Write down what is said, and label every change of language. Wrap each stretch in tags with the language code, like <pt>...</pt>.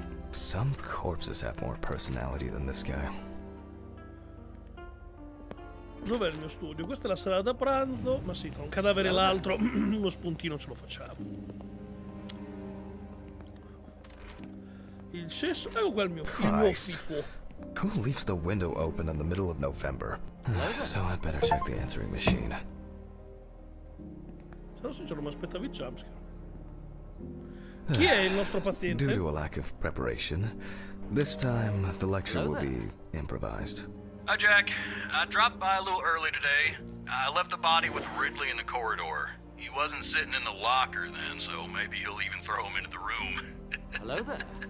<en>Some corpses have more personality than this guy.</en> <it>Dov'è il mio studio? Questa è la sala da pranzo. Ma sì, tra un cadavere e l'altro, uno spuntino ce lo facciamo. Il cesso. Ecco qua il mio fifo.</it> <en>Who leaves the window open in the middle of November? So I'd better check the answering machine.</en> <it>Sarò sincero, mi aspettavi il jumpscare. Chi è il nostro paziente?</it> <en>Due to a lack of preparation. This time the lecture will be improvised. Hi, Jack. I dropped by a little early today. I left the body with Ridley in the corridor. He wasn't sitting in the locker then, so maybe he'll even throw him into the room. Hello there.</en>